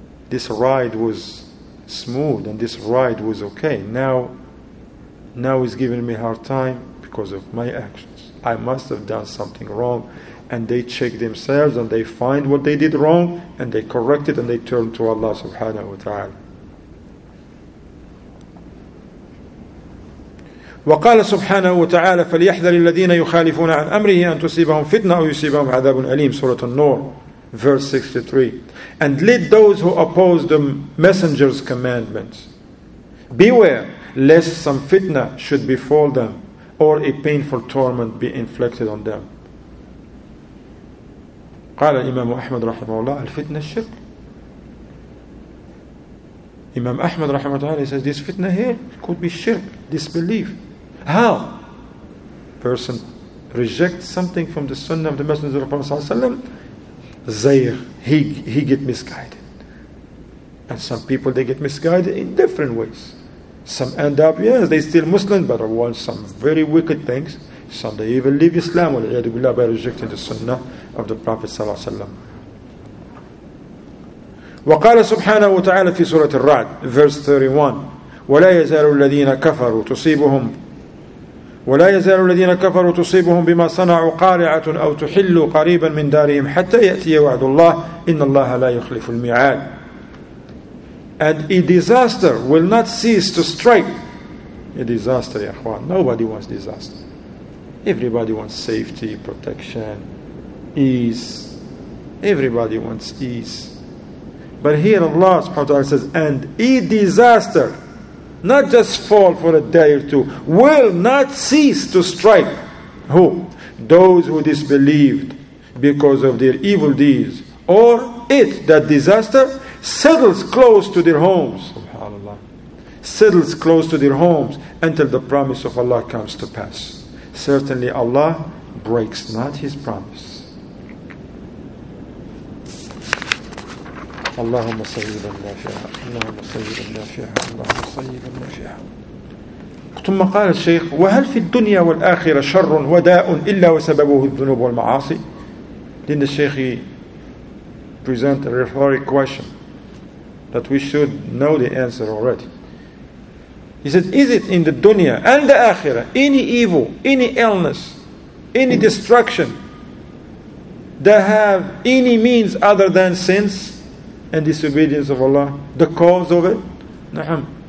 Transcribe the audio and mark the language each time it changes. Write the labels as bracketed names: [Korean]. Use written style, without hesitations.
[English] This ride was smooth and this ride was okay. Now he's giving me a hard time because of my actions. I must have done something wrong. And they check themselves and they find what they did wrong and they correct it and they turn to Allah subhanahu wa ta'ala. [Arabic] وقال سبحانه وتعالى فليحذر الذين يخالفون عن أمره أن تصيبهم فتنة أو يصيبهم عذاب أليم. سورة النور [English] verse 63. And let those who oppose the messenger's commandments beware lest some fitna should befall them or a painful torment be inflicted on them. [Arabic] قال الإمام أحمد رحمه الله الفتنة الشرك. [English] Imam Ahmad rahmatullah says this fitna here could be shirk, disbelief. How? Person rejects something from the sunnah of the Messenger of Allah sallallahu alaihi wasallam, zayr, he get misguided. And some people they get misguided in different ways. Some end up, yes, they still Muslim, but want some very wicked things. Some they even leave Islam by rejecting the sunnah of the Prophet sallallahu alaihi wasallam. [Arabic] وقال سبحانه وتعالى في سورة الرعد [English] verse 31 [Arabic] ولا يزال الذين كفروا تصيبهم ولا يزال الذين كفروا تصيبهم بما صنعوا قارعة أو تحل قريبا من دارهم حتى يأتي وعد الله إن الله لا يخلف الميعاد. [English] And a disaster will not cease to strike. A disaster, [Arabic] يا أخوان. [English] Nobody wants disaster. Everybody wants safety, protection, ease. Everybody wants ease. But here Allah subhanahu wa ta'ala says, and a disaster, not just fall for a day or two, will not cease to strike. Who? Those who disbelieved because of their evil deeds. Or it, that disaster, settles close to their homes. SubhanAllah. Settles close to their homes until the promise of Allah comes to pass. Certainly Allah breaks not His promise. [Arabic] اللهم صيبا نافعه اللهم صيبا نافعه اللهم صيبا نافعه. ثم قال الشيخ وهل في الدنيا والآخرة شر وداء إلا وسببه الذنوب والمعاصي. [English] Then the Shaykh present a rhetorical question that we should know the answer already. He said, is it in the dunya and the akhirah any evil, any illness, any destruction that have any means other than sins and disobedience of Allah, the cause of it? Naham.